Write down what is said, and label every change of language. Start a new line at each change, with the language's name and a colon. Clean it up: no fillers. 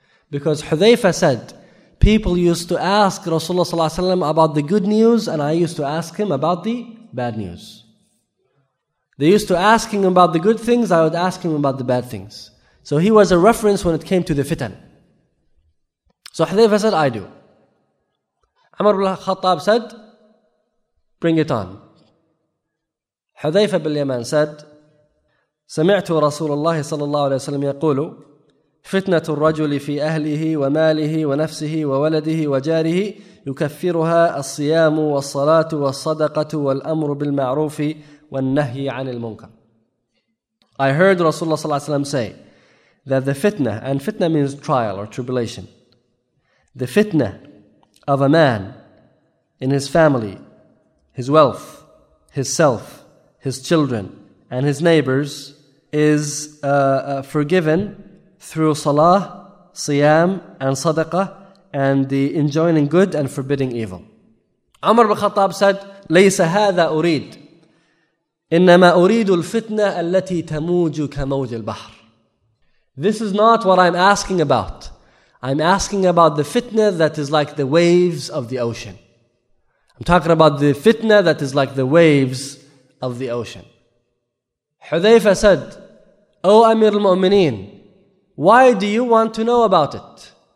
English: Because Hudhayfa said, people used to ask Rasulullah صلى الله عليه وسلم about the good news, and I used to ask him about the bad news. They used to ask him about the good things, I would ask him about the bad things. So he was a reference when it came to the fitan. So Hudhayfa said, I do. Umar ibn Khattab said, bring it on. Hudhayfa ibn Yaman said,
Arabic: سَمِعْتُ رَسُولَ اللَّهِ صَلَى اللَّهُ عَلَيْهِ وَسَلَمْ يَقُولُ فِتْنَةُ الرَّجُلِ فِي أَهْلِهِ وَمَالِهِ وَنَفْسِهِ وَوَلَدِهِ وَجَارِهِ يكفرها الصيام والصلاة والصدقة والأمر بالمعروف والنهي عن المنكر.
English: I heard Rasulullah صلى الله عليه وسلم say that the fitna, and fitna means trial or tribulation, the fitna of a man in his family, his wealth, his self, his children, and his neighbors is forgiven through salah, siyam, and sadaqah, and the enjoining good and forbidding evil. Umar ibn Khattab said,
Arabic: لَيْسَ هَذَا أُرِيدُ إِنَّمَا أُرِيدُ الْفِتْنَةَ الَّتِي تَمُوجُ كَمَوْجِ الْبَحْرِ.
English: This is not what I'm asking about. I'm asking about the fitna that is like the waves of the ocean. I'm talking about the fitna that is like the waves of the ocean. Hudhayfa said, O Amir al-Mu'mineen, why do you want to know about it?